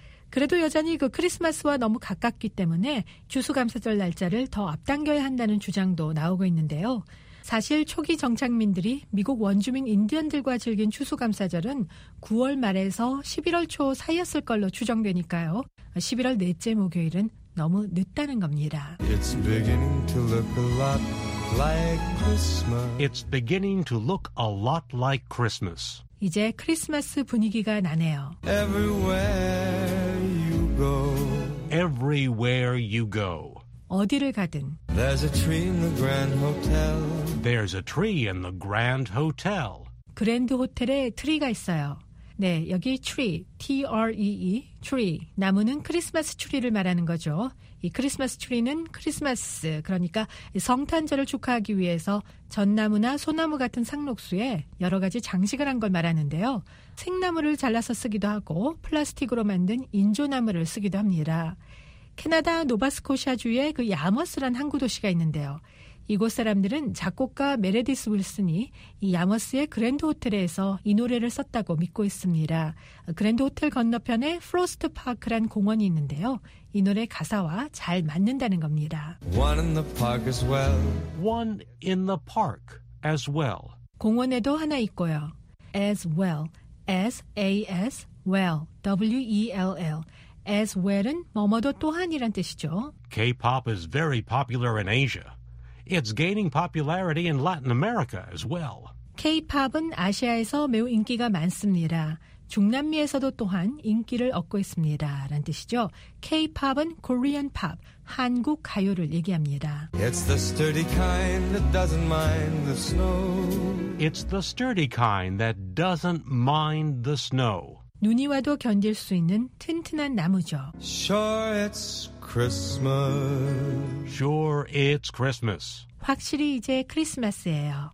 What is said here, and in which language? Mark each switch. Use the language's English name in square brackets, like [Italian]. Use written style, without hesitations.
[Korean] 그래도 여전히 그 크리스마스와 너무 가깝기 때문에 추수감사절 날짜를 더 앞당겨야 한다는 주장도 나오고 있는데요. 사실 초기 정착민들이 미국 원주민 인디언들과 즐긴 추수감사절은 9월 말에서 11월 초 사이였을 걸로 추정되니까요. 11월 넷째 목요일은 너무 늦다는 겁니다. [English] It's beginning to look a lot like Christmas. It's beginning to look a lot like Christmas. [Korean] 이제 크리스마스 분위기가 나네요. [English] Everywhere you go. Everywhere you go. [Korean] 어디를 가든. [English] There's a tree in the Grand Hotel. There's a tree in the Grand Hotel. [Korean] 그랜드 호텔에 트리가 있어요. [English] 네, 여기 tree, T-R-E-E, tree. [Korean] 나무는 크리스마스 트리를 말하는 거죠. 이 크리스마스 트리는 크리스마스, 그러니까 성탄절을 축하하기 위해서 전나무나 소나무 같은 상록수에 여러 가지 장식을 한 걸 말하는데요. 생나무를 잘라서 쓰기도 하고 플라스틱으로 만든 인조나무를 쓰기도 합니다. 캐나다 노바스코샤주의 그 야머스란 항구 도시가 있는데요. 이곳 사람들은 작곡가 메레디스 윌슨이 이 야머스의 그랜드 호텔에서 이 노래를 썼다고 믿고 있습니다. 그랜드 호텔 건너편에 프로스트 파크란 공원이 있는데요. 이 노래 가사와 잘 맞는다는 겁니다. [English] One in the park as well. One in the park as well. [Korean] 공원에도 하나 있고요. [English] As well. As A-S well. W-E-L-L. [Korean] As well은 뭐뭐도 또한이란 뜻이죠. [English] K-pop is very popular in Asia. It's gaining popularity in Latin America as well. [Korean] K-pop은 아시아에서 매우 인기가 많습니다. 중남미에서도 또한 인기를 얻고 있습니다. 라는 뜻이죠. K-pop은 Korean pop, 한국 가요를 얘기합니다. [English] It's the sturdy kind that doesn't mind the snow. It's the sturdy kind that doesn't mind the snow. [Korean] 눈이 와도 견딜 수 있는 튼튼한 나무죠. [English] Sure it's Christmas. Sure it's Christmas. [Korean] 확실히 이제 크리스마스예요.